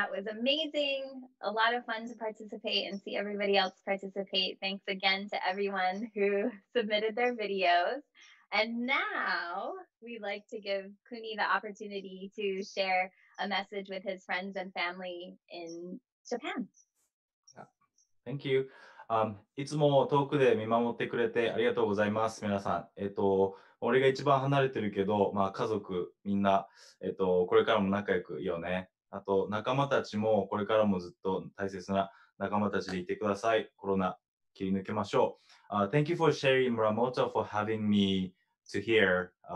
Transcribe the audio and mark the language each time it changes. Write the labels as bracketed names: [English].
[English] amazing, a lot of fun to participate and see everybody else participate. Thanks again to everyone who submitted their videos. And now we'd like to give Kuni the opportunity to share a message with his friends and family in Japan. Yeah. Thank you. [Japanese] いつも遠くで見守ってくれてありがとうございます、皆さん。俺が一番離れてるけど、まあ家族みんな、これからも仲良くいいよね。あと仲間たちもこれからもずっと大切な仲間たちでいてください。コロナ切り抜けましょう。 [English] Thank you for sharing, Muramoto, for having me to hear.